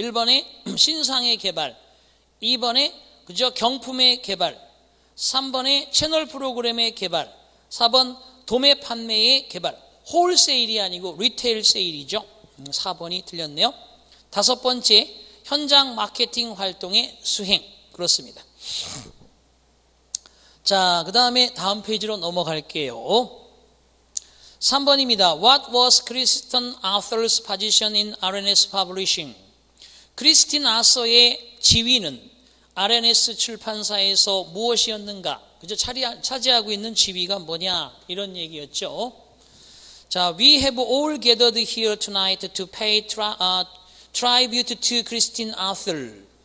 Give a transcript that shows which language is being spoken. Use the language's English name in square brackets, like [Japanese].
[Korean] 1번에 신상의 개발, 2번에 그저 경품의 개발, 3번에 채널 프로그램의 개발, 4번 도매 판매의 개발, 홀세일이 아니고 리테일 세일이죠. 4번이 틀렸네요. 다섯 번째, 현장 마케팅 활동의 수행. 그렇습니다. 자, 그 다음에 다음 페이지로 넘어갈게요. 3번입니다. [English] What was Christian Arthur's position in RNS Publishing? [Korean] 크리스틴 아서의 지위는 RNS 출판사에서 무엇이었는가? 그저 차지하고 있는 지위가 뭐냐? 이런 얘기였죠. 자, [English] We have all gathered here tonight to pay tribute to Christian Arthur.